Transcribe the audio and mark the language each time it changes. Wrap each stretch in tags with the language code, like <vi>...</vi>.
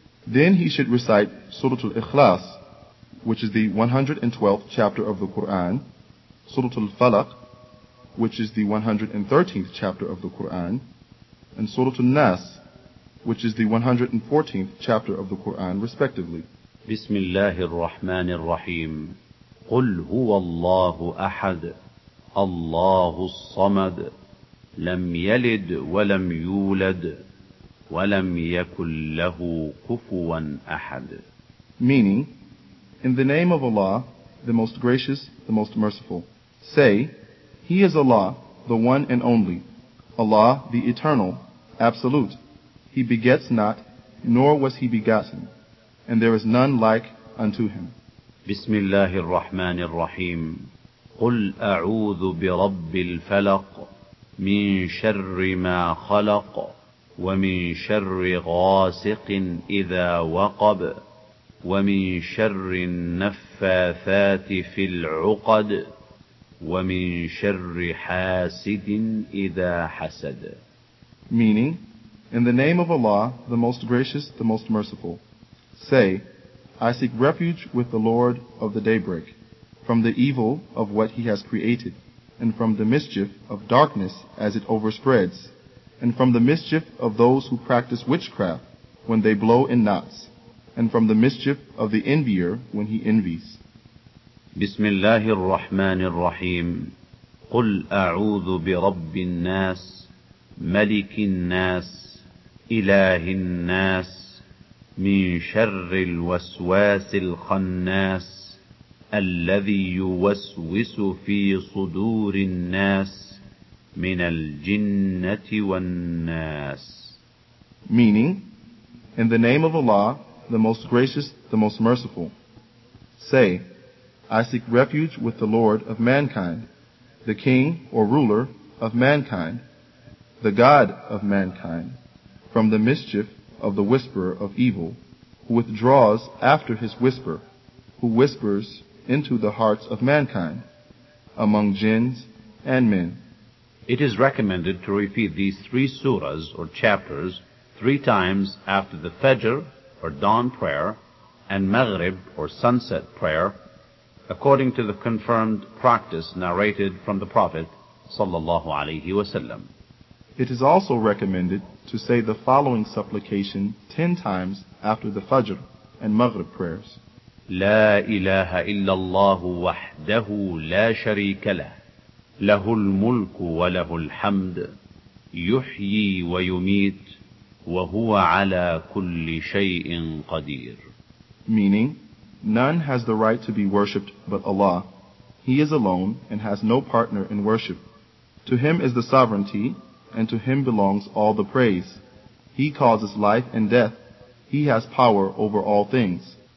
<en>Then he should recite Surah Al-Ikhlas, which is the 112th chapter of the Qur'an, Surah Al-Falaq, which is the 113th chapter of the Qur'an, and Surah Al-Nas, which is the 114th chapter of the Qur'an, respectively.</en> <ar>بسم الله الرحمن الرحيم قل هو الله أحد الله الصمد لم يلد ولم يولد ولم يكن له كفوا أحد.</ar> <en>Meaning, in the name of Allah, the Most Gracious, the Most Merciful, say, He is Allah, the One and Only, Allah the Eternal, Absolute. He begets not, nor was He begotten. And there is none like unto him.</en> <ar>بسم الله الرحمن الرحيم قل أعوذ برب الفلق من شر ما خلق ومن شر غاسق إذا وقب ومن شر النفاثات في العقد ومن شر حاسد إذا حسد.</ar> <en>Meaning, in the name of Allah, the Most Gracious, the Most Merciful, say, I seek refuge with the Lord of the daybreak, from the evil of what He has created, and from the mischief of darkness as it overspreads, and from the mischief of those who practice witchcraft when they blow in knots, and from the mischief of the envier when he envies.</en> <ar>بسم الله الرحمن الرحيم قل أعوذ برب الناس ملك الناس إله الناس من شر الوسواس الخناس الذي يوسوس في صدور الناس من الجنة والناس.</ar> <en>Meaning, in the name of Allah, the Most Gracious, the Most Merciful, say, I seek refuge with the Lord of mankind, the King or ruler of mankind, the God of mankind, from the mischief of the whisperer of evil, who withdraws after his whisper, who whispers into the hearts of mankind, among jinns and men. It is recommended to repeat these three surahs or chapters three times after the Fajr or dawn prayer and Maghrib or sunset prayer, according to the confirmed practice narrated from the Prophet sallallahu alaihi wasallam. It is also recommended to say the following supplication 10 times after the Fajr and Maghrib prayers.</en> <ar>لا إله إلا الله وحده لا شريك له له الملك وله الحمد يحيي ويميت وهو على كل شيء قدير.</ar> <en>Meaning, none has the right to be worshipped but Allah. He is alone and has no partner in worship. To Him is the sovereignty, and to Him belongs all the praise. He causes life and death. He has power over all things.</en>